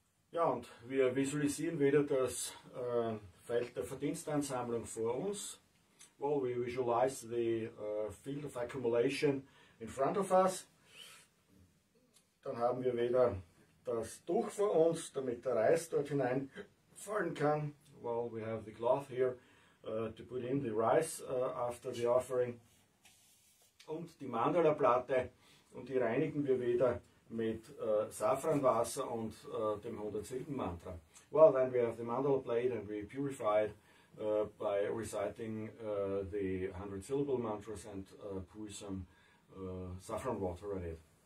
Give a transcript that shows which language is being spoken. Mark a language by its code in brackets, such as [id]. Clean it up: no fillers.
[de] Ja, und wir visualisieren wieder das Feld der Verdienstansammlung vor uns. [en] Well, we visualize the field of accumulation in front of us. [de] Dann haben wir wieder das Tuch vor uns, damit der Reis dort hinein fallen kann. [en] Well, we have the cloth here to put in the rice after the offering. [de] Und die Mandala-Platte, und die reinigen wir wieder mit Safranwasser und dem 107. Mantra. [en] Well, then we have the mandala plate and we purify it by reciting the 100 syllable mantras and pour some saffron water on it.